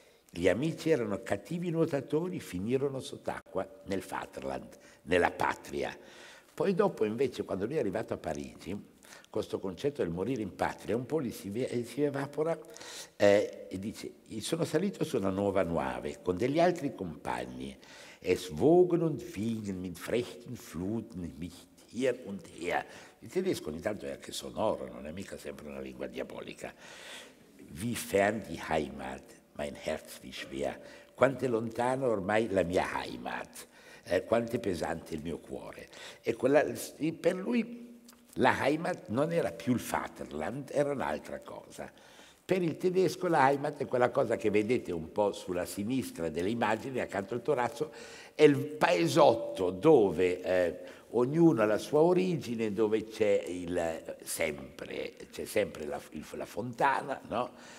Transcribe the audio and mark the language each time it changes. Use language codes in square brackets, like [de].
[it] Gli amici erano cattivi nuotatori, finirono sott'acqua nel Vaterland, nella patria. Poi dopo invece, quando lui è arrivato a Parigi, questo concetto del morire in patria un po' lì si evapora, e dice: sono salito su una nuova nave con degli altri compagni [de] Es wogen und wiegen mit frechten Fluten mich hier und her. [it] Il tedesco ogni tanto è anche sonoro, non è mica sempre una lingua diabolica. [de] Wie fern die Heimat, mein Herz wie schwer. [it] Quanto è lontano ormai la mia Heimat, quanto è pesante il mio cuore. E quella, per lui la Heimat non era più il Vaterland, era un'altra cosa. Per il tedesco la Heimat è quella cosa che vedete un po' sulla sinistra dell'immagine, accanto al torazzo, è il paesotto dove ognuno ha la sua origine, dove c'è sempre la fontana, no?